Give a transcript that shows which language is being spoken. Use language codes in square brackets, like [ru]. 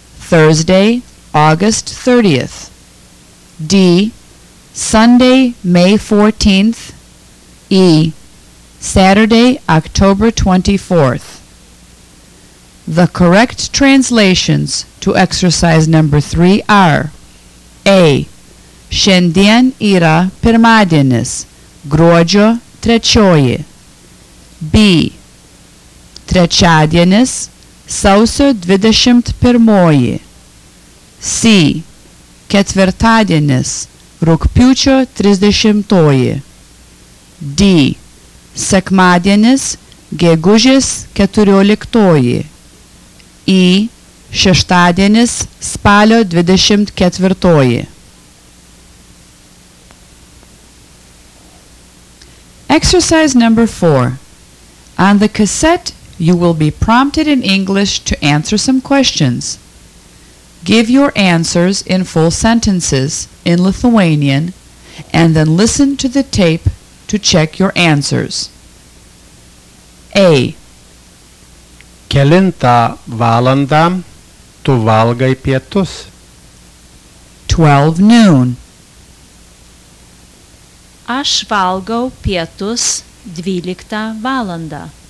[en] Thursday, August 30th. D. Sunday, May 14th. E. Saturday, October 24th. The correct translations to exercise number 3 are A. [lt] Šiandien yra pirmadienis, gruodžio trečioji. B. Trečiadienis, sausio 21. C. Ketvirtadienis, rugpjūčio 30. D. Sekmadienis, gegužės 14. E. Šeštadienis, spalio 24. [en] Exercise number 4. On the cassette, you will be prompted in English to answer some questions. Give your answers in full sentences in Lithuanian and then listen to the tape to check your answers. A. [lt] Kelintą valandą tu valgai pietus? [en] 12 noon. [lt] Aš valgau pietus 12 valandą.